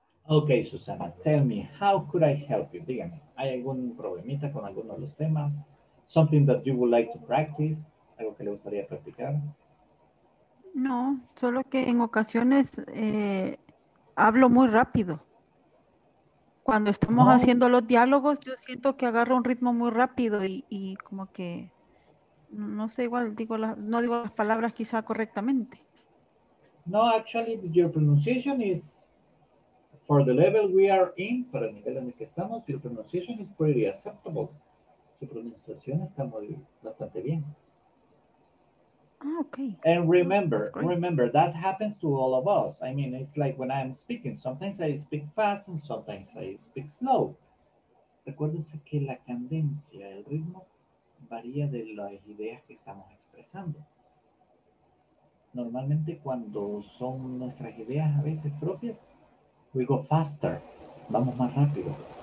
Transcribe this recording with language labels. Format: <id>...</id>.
<en>Okay, Susana, tell me, how could I help you?</en> <es>Dígame, ¿hay algún problemita con alguno de los temas?</es> <en>Something that you would like to practice?</en> <es>¿Algo que le gustaría practicar? No, solo que en ocasiones hablo muy rápido. Cuando estamos haciendo los diálogos, yo siento que agarro un ritmo muy rápido y como que, no sé, igual digo no digo las palabras quizá correctamente.</es> <en>No, actually, your pronunciation is, for the level we are in,</en> <es>para el nivel en el que estamos,</es> <en>your pronunciation is pretty acceptable.</en> <es>Su pronunciación está muy, bastante bien.</es> <en>Okay. And remember that happens to all of us. I mean, it's like when I'm speaking, sometimes I speak fast and sometimes I speak slow.</en> <es>Recuérdense que la cadencia, el ritmo, varía de las ideas que estamos expresando. Normalmente cuando son nuestras ideas a veces propias,</es> <en>we go faster,</en> <es>vamos más rápido.</es>